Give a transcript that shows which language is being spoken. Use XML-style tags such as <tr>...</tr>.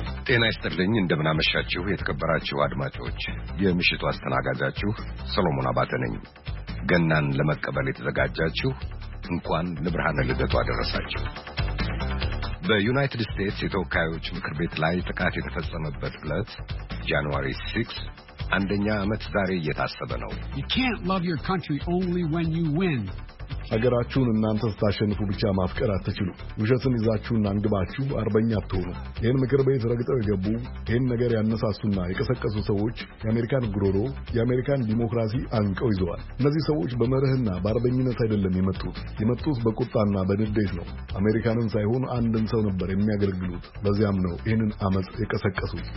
<am>ጤና ይስጥልኝ እንደምን አመሻችሁ የተከበራችሁ አድማጮች። የምሽቱ አስተናጋጃችሁ ሰለሞን አባተ ነኝ። ገናን ለመቀበል የተዘጋጃችሁ እንኳን ለብርሃነ ልደቱ አደረሳችሁ። በዩናይትድ ስቴትስ የተወካዮች ምክር ቤት ላይ ጥቃት የተፈጸመበት ዕለት ጃንዋሪ 6 አንደኛ ዓመት ዛሬ እየታሰበ ነው።</am> <en>You can't love your country only when you win.</en> <am>ሀገራችሁን እናንተ ስታሸንፉ ብቻ ማፍቀር አትችሉ። ውሸትን ይዛችሁና አንግባችሁ አርበኛ አትሆኑ። ይህን ምክር ቤት ረግጠው የገቡ ይህን ነገር ያነሳሱና የቀሰቀሱ ሰዎች የአሜሪካን ጉሮሮ የአሜሪካን ዲሞክራሲ አንቀው ይዘዋል። እነዚህ ሰዎች በመርህና በአርበኝነት አይደለም የመጡት። የመጡት በቁጣና በንዴት ነው። አሜሪካንን ሳይሆን አንድን ሰው ነበር የሚያገለግሉት። በዚያም ነው ይህንን አመፅ የቀሰቀሱት።</am>